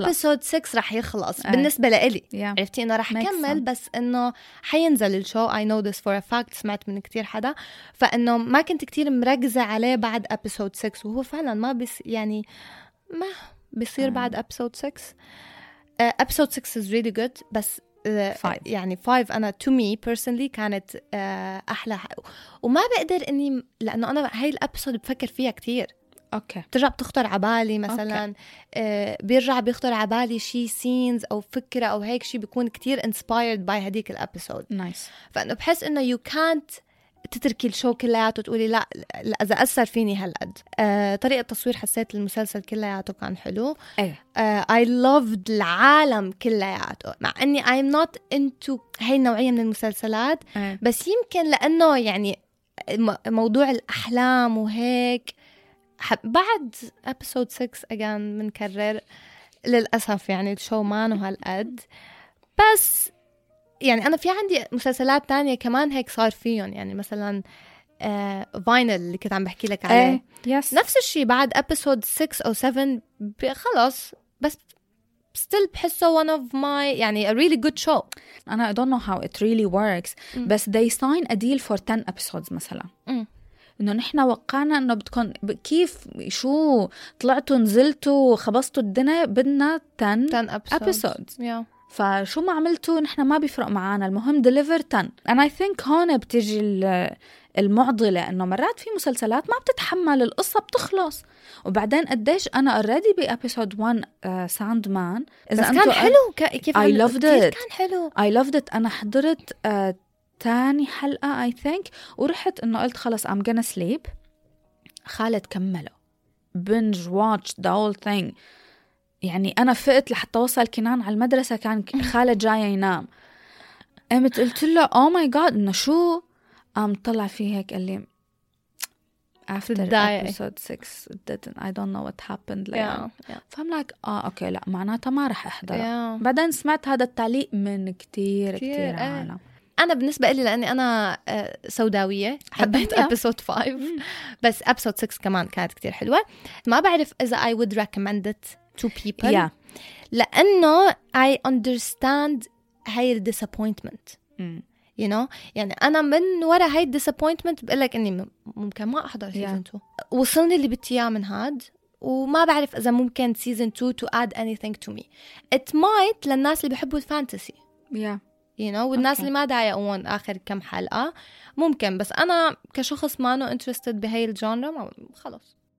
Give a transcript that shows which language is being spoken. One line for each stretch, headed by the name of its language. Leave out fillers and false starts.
Arabic: أبسود 6 رح يخلص بالنسبة لإلي.
English: Yeah.
Arabic: عرفتي إنه رح كمل بس إنه حينزل الشو.
English: I know this for a fact
Arabic: سمعت من كتير حدا فإنه ما كنت كتير مركزة عليه بعد أبسود 6 وهو فعلا ما بس يعني ما بيصير بعد أبسود 6.
English: Episode 6 is really good بس five.
Arabic: يعني 5 أنا
English: to me personally
Arabic: كانت أحلى وما بقدر أني لأنه أنا هاي الأبسود بفكر فيها كتير. أوكي. ترجع بتخطر عبالي مثلا. بيرجع بيخطر عبالي شي scenes أو فكرة أو هيك شي بيكون كتير
English: inspired by
Arabic: هديك الأبسود.
English: nice.
Arabic: فأنا بحس أنه
English: you can't
Arabic: تتركي الشو كلياته وتقولي لا إذا أثر فيني هالقد. طريقة تصوير حسيت المسلسل كلياته كان حلو.
English: I loved
Arabic: العالم كلياته مع أني
English: I'm not into
Arabic: هاي النوعية من المسلسلات. بس يمكن لأنه يعني موضوع الأحلام وهيك بعد
English: episode 6 again
Arabic: منكرر للأسف يعني الشو مانو هالقد. بس يعني أنا في عندي مسلسلات تانية كمان هيك صار فيهم يعني مثلاً فاينل اللي كنت عم بحكي لك عليه.
English: yes.
Arabic: نفس الشيء بعد أبسود 6 أو 7 خلاص بس still بحسه
English: one of my
Arabic: يعني
English: a really good show. أنا I don't know how it really works بس they sign a deal for 10 episodes مثلاً.
Arabic: إنه نحنا وقعنا إنه بتكون كيف شو طلعتوا نزلتوا خبصتوا الدنيا بدنا 10
English: episodes. Episodes. Yeah.
Arabic: فشو ما عملتوا نحن ما بيفرق معانا، المهم
English: deliver 10. and I think
Arabic: هون بتجي المعضلة، انه مرات في مسلسلات ما بتتحمل القصة بتخلص، وبعدين قديش انا already بي episode 1 ساند مان بس كان حلو كيف
English: I loved it.
Arabic: كان حلو
English: I loved it.
Arabic: انا حضرت تاني حلقة
English: I think
Arabic: ورحت انه قلت خلص
English: I'm gonna sleep.
Arabic: خالد كمله
English: binge watch the whole thing.
Arabic: يعني انا فقت لحتى وصل كنان على المدرسة كان خالد جاي ينام، قمت قلت له oh my god انه شو، قام طلع فيه هيك قال لي
English: after episode 6 didn't I don't know what happened like yeah.
Arabic: فهم لك اه اوكي لا معناتها ما رح احضر
English: yeah.
Arabic: بعدين سمعت هذا التعليق من كتير عالم. انا بالنسبه لي لاني انا سوداويه حبيت ابيسود 5 بس ابيسود 6 كمان كانت كتير حلوه. ما بعرف اذا
English: I would recommend it to people yeah.
Arabic: لانه
English: I understand
Arabic: هاي الديسابوينتمنت
English: you know.
Arabic: يعني انا من ورا هاي الديسابوينتمنت بقول لك اني ممكن ما احضر سيزون 2 yeah. وصلني اللي بدي اياه من هاد، وما بعرف اذا ممكن سيزون 2
English: to add anything to me. it might
Arabic: للناس اللي بحبوا الفانتسي
English: yeah. You know,
Arabic: والناس okay. اللي ما دايقون آخر كم حلقة ممكن، بس أنا كشخص ما نو انترستد بهاي الجانرا خلص.